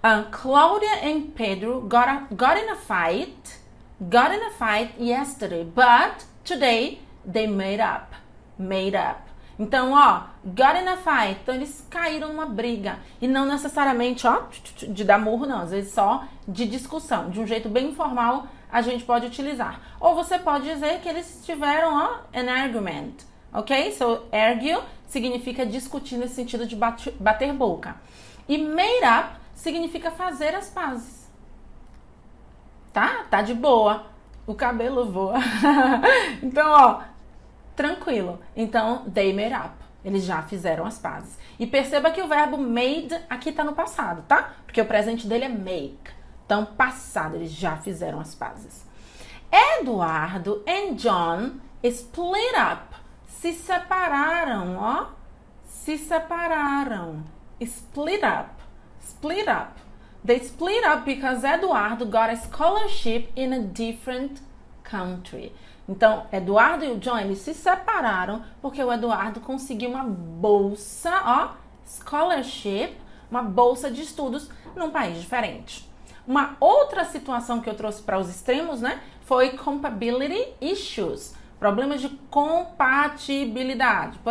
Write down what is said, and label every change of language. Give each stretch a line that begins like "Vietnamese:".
English: Claudia and Pedro got in a fight yesterday, but today they made up.
Portuguese: Made up. Então, ó, got in a fight. Então, eles caíram numa briga. E não necessariamente, ó, de dar murro, não. Às vezes, só de discussão. De um jeito bem informal, a gente pode utilizar. Ou você pode dizer que eles tiveram, ó, an argument. Ok? So, argue significa discutir nesse sentido de bater boca. E made up significa fazer as pazes. Tá? Tá de boa. O cabelo voa. Então, ó. Tranquilo. Então, they made up. Eles já fizeram as pazes. E perceba que o verbo made aqui tá no passado, tá? Porque o presente dele é make. Então, passado, eles já fizeram as pazes.
English: Eduardo and John split up.
Portuguese: Se separaram, ó. Se separaram. Split up. Split up.
English: They split up because Eduardo got a scholarship in a different country.
Portuguese: Então, Eduardo e o John, eles se separaram porque o Eduardo conseguiu uma bolsa, ó, scholarship, uma bolsa de estudos num país diferente. Uma outra situação que eu trouxe para os extremos, né, foi compatibility issues, problemas de compatibilidade.